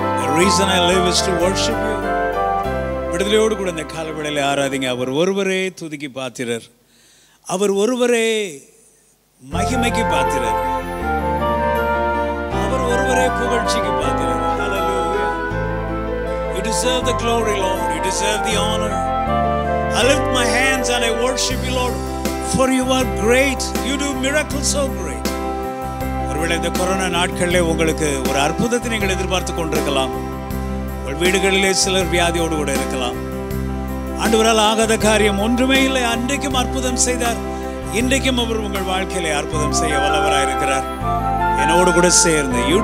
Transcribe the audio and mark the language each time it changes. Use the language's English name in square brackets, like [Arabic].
[English] The reason I live is to worship you. [Tamil] விடுதலையோடு கூட இந்த காலவேளையில் ஆராதிங்க. அவர் ஒருவரே துதிக்கு பாத்திரர். அவர் ஒருவரே மகிமைக்கு பார்க்கிறார். அவர் ஒருவரே புகழ்ச்சிக்கு பார்க்கிறார். [English] Hallelujah. You deserve the glory, Lord. You deserve the honor. I lift my hands and I worship you, Lord. For you are great. You do miracles so great. [Tamil] ஒருவேளை இந்த கொரோனா நாட்களிலே உங்களுக்கு ஒரு அற்புதத்தை நீங்கள் எதிர்பார்த்து கொண்டிருக்கலாம். உங்கள் வீடுகளிலே சிலர் வியாதியோடு கூட இருக்கலாம். ஆண்டவரால் ஆகாத காரியம் ஒன்றுமே இல்லை. அன்றைக்கும் அற்புதம் செய்தார். இன்றைக்கும் அவர் உங்கள் வாழ்க்கையிலே அற்புதம் செய்ய வல்லவராயிருக்கிறார். என்னோடு கூட சேர்ந்து